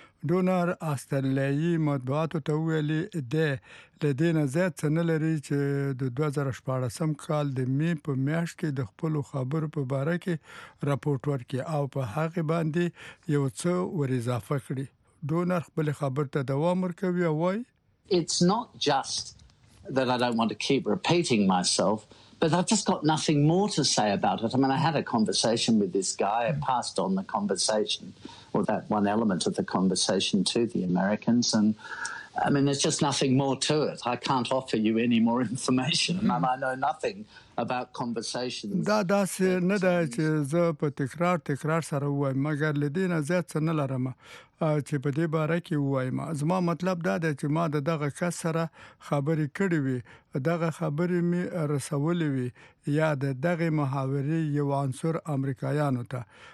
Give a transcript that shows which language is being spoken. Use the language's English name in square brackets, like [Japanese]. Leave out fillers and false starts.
[Pashto] ډونر استرالیایي مطبوعاتو ته وویل دی له دې نه زیات څه نه لري چې د 2018 کال د مې په میاشت کې د خپلو خبرو په باره کې راپورټ ورکړي او په هغې باندې یو څه ور اضافه کړي. ډونر خپلې خبرې ته دوام ورکوي او وایي: [English] It's not just that I don't want to keep repeating myself, but I've just got nothing more to say about it. I mean, I had a conversation with this guy, I passed on the conversation, or that one element of the conversation, to the Americans, and I mean, there's just nothing more to it. I can't offer you any more information, and I know nothing about conversations. [Pashto] دا داسې نه ده چې زه په تکرار سره وایم، مګر له دې نه زیات څه نه لرم چې په دې باره کې وایم. زما مطلب دا ده چې ما د دغه کس سره خبرې کړې وي، دغه خبرې مې رسولې وي، یا د دغه محاورې یو عنصر امریکایانو ته.